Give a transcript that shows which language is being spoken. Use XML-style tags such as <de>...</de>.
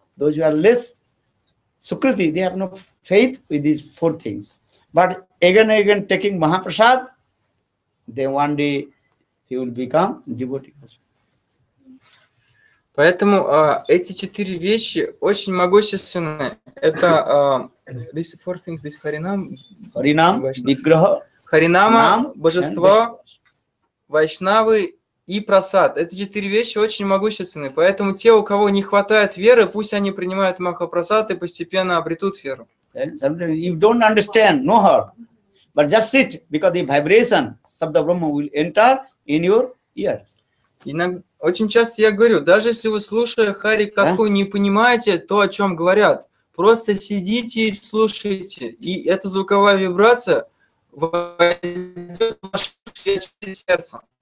<en>Those who are less Sukriti, they have no faith with these four things. But again and again taking Mahaprasad, then one day he will become devotee.</en> <ru>Поэтому эти четыре вещи очень могущественны. Это</ru> <en>these four things, this Харинам.</en> <ru>Харинам, Вигграха. Харинама, божество, Вайшнавы и Прасад. Эти четыре вещи очень могущественны. Поэтому те, у кого не хватает веры, пусть они принимают Махапрасад и постепенно обретут веру.</ru> <en>You don't understand, no harm. But just sit, because the vibration, Sabda Brahma will enter in your ears.</en> <ru>Очень часто я говорю, даже если вы, слушая Хари Катху, не понимаете то, о чем говорят, просто сидите и слушайте, и эта звуковая вибрация войдет в ваше сердце.</ru>